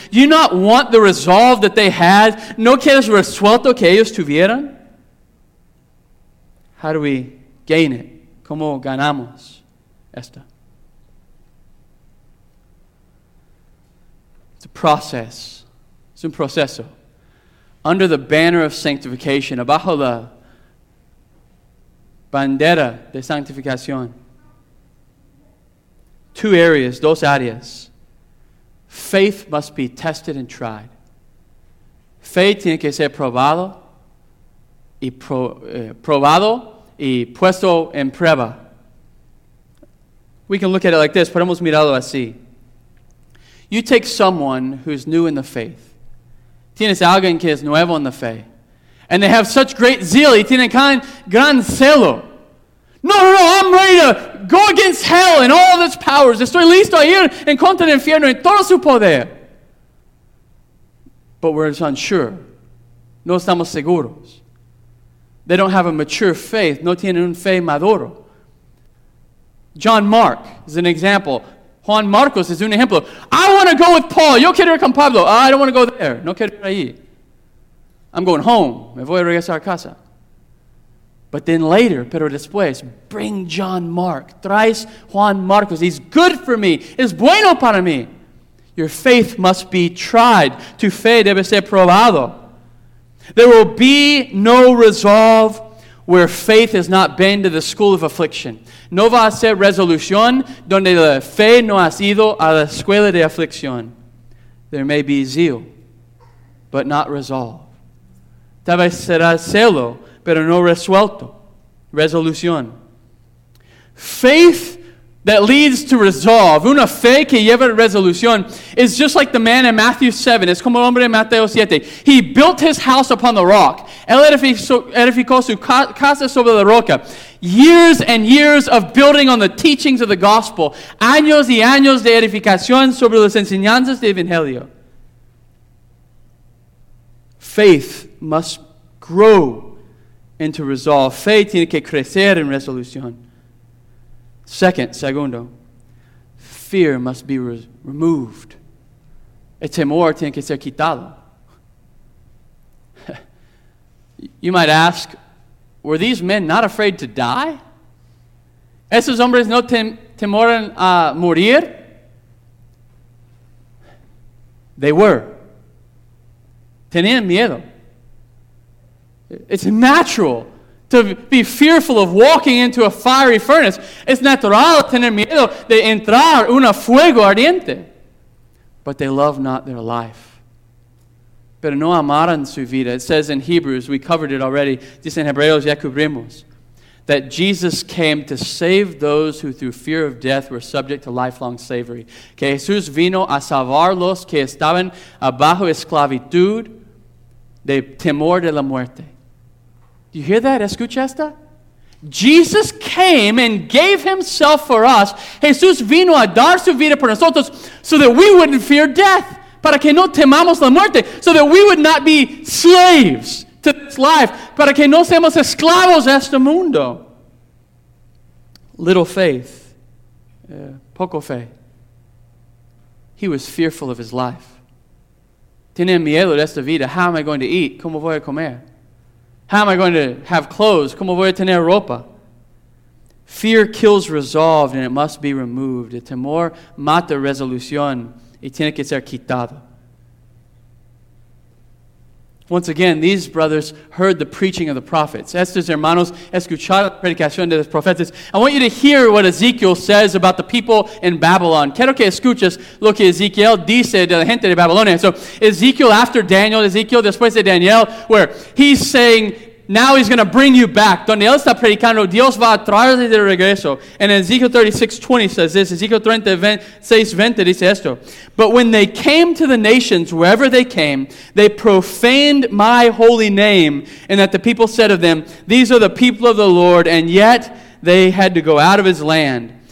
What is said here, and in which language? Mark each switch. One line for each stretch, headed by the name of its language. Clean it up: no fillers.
English: Do you not want the resolve that they had?
Spanish: No quieres resuelto que ellos tuvieron?
English: How do we gain it?
Spanish: ¿Cómo ganamos esta?
English: It's a process.
Spanish: Es un proceso.
English: Under the banner of sanctification,
Spanish: abajo la bandera de santificación.
English: Two areas,
Spanish: dos áreas.
English: Faith must be tested and tried. Fe tiene que ser probado y probado y puesto en prueba. We can look at it like this.
Spanish: Podemos mirarlo así.
English: You take someone who's new in the faith.
Spanish: Tienes alguien que es nuevo en la fe.
English: And they have such great zeal.
Spanish: Y tienen kind gran celo.
English: No, I'm ready to go against hell and all of its powers.
Spanish: Estoy listo a ir en contra del infierno y todo su poder.
English: But we're unsure.
Spanish: No estamos seguros.
English: They don't have a mature faith.
Spanish: No tienen un fe maduro.
English: John Mark is an example.
Spanish: Juan Marcos is un ejemplo.
English: I want to go with Paul.
Spanish: Yo quiero ir con Pablo.
English: I don't want to go there.
Spanish: No quiero ir allí.
English: I'm going home.
Spanish: Me voy a regresar a casa.
English: But then later,
Spanish: pero después,
English: bring John Mark.
Spanish: Traes Juan Marcos.
English: He's good for me.
Spanish: Es bueno para mí.
English: Your faith must be tried.
Spanish: Tu fe debe ser probado.
English: There will be no resolve where faith has not been to the school of affliction.
Spanish: No va a ser resolución donde la fe no ha ido a la escuela de aflicción.
English: There may be zeal, but not resolve.
Spanish: Tal vez será celo, pero no resuelto. Resolución.
English: Faith that leads to resolve.
Spanish: Una fe que lleva resolución
English: is just like the man in Matthew 7.
Spanish: Es como el hombre en Mateo 7.
English: He built his house upon the rock.
Spanish: Él edificó su casa sobre la roca.
English: Years and years of building on the teachings of the gospel.
Spanish: Años y años de edificación sobre las enseñanzas del Evangelio.
English: Faith must grow into resolve.
Spanish: Fe tiene que crecer en resolución. Segundo,
English: fear must be removed.
Spanish: El temor tiene que ser quitado.
English: You might ask, were these men not afraid to die?
Spanish: ¿Esos hombres no temoran a morir?
English: They were.
Spanish: Tenían miedo.
English: It's natural to be fearful of walking into a fiery furnace.
Spanish: Es natural tener miedo de entrar una fuego ardiente.
English: But they love not their life.
Spanish: Pero no amaran su vida.
English: It says in Hebrews, we covered it already.
Spanish: Dice en Hebreos, ya cubrimos.
English: That Jesus came to save those who through fear of death were subject to lifelong slavery.
Spanish: Que Jesús vino a salvar los que estaban bajo esclavitud de temor de la muerte.
English: Do you hear that?
Spanish: Escucha esta.
English: Jesus came and gave himself for us.
Spanish: Jesús vino a dar su vida por nosotros
English: so that we wouldn't fear death.
Spanish: Para que no temamos la muerte.
English: So that we would not be slaves to this life.
Spanish: Para que no seamos esclavos de este mundo.
English: Little faith.
Spanish: Poco fe.
English: He was fearful of his life.
Spanish: Tiene miedo de esta vida.
English: How am I going to eat?
Spanish: ¿Cómo voy a comer?
English: How am I going to have clothes?
Spanish: ¿Cómo voy a tener ropa?
English: Fear kills resolve and it must be removed.
Spanish: El temor mata resolución y tiene que ser quitado.
English: Once again, these brothers heard the preaching of the prophets.
Spanish: Estos hermanos escucharon la predicación de los profetas.
English: I want you to hear what Ezekiel says about the people in Babylon.
Spanish: Quiero que escuches lo que Ezekiel dice de la gente de Babilonia.
English: So Ezekiel after Daniel,
Spanish: Ezekiel después de Daniel,
English: where he's saying, now he's going to bring you back.
Spanish: Donde él está predicando, Dios va a traerte de regreso.
English: And Ezekiel 36:20 says this.
Spanish: Ezekiel 36:20 dice esto.
English: But when they came to the nations, wherever they came, they profaned my holy name. And that the people said of them, these are the people of the Lord. And yet they had to go out of his land.